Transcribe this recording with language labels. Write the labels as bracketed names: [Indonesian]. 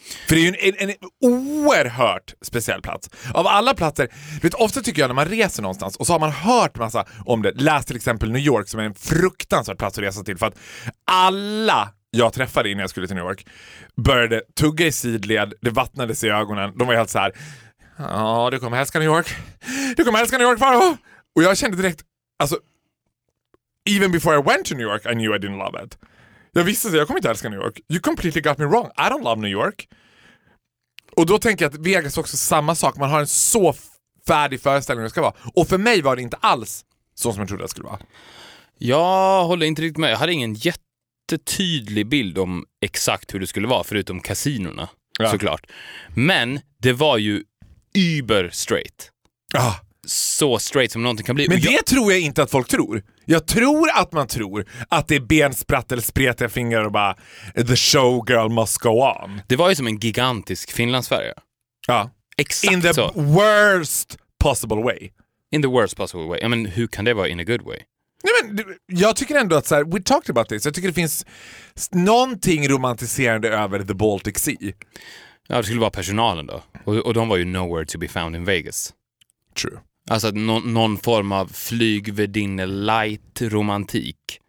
[Swedish] För det är ju en oerhört speciell plats. Av alla platser, vet, ofta tycker jag när man reser någonstans och så har man hört massa om det. Läs till exempel New York, som är en fruktansvärd plats att resa till, för att alla jag träffade innan jag skulle till New York började tugga i sidled, det vattnades i ögonen. De var helt så här: ja, du kommer älska New York. Du kommer älska New York, faro. Och jag kände direkt, alltså, [English] even before I went to New York, I knew I didn't love it. [Swedish] Jag visste att jag kommer inte älska New York. [English] You completely got me wrong. I don't love New York. [Swedish] Och då tänker jag att Vegas också samma sak. Man har en så färdig föreställning det ska vara. Och för mig var det inte alls så som jag trodde det skulle vara. Jag håller inte riktigt med. Jag hade ingen jättetydlig bild om exakt hur det skulle vara, förutom kasinorna, såklart. Men det var ju über straight. Ah. Så straight som någonting kan bli. Men det tror jag inte att folk tror. Jag tror att man tror att det är bensprätt eller spretiga fingrar och bara [English] the showgirl must go on. [Swedish] Det var ju som en gigantisk finlandsfärja. Ja. Exakt. [English] In the [Swedish] så. [English] Worst possible way. In the worst possible way. I mean, [Swedish] hur kan det vara [English] in a good way? [Swedish] Nej, men jag tycker ändå att så här, [English] we talked about this. [Swedish] Jag tycker det finns någonting romantiserande över the Baltic Sea. Ja, det skulle vara personalen då. Och de var ju [English] nowhere to be found [Swedish] in Vegas. [English] True. [Swedish] Alltså någon form av flygvärdin light romantik.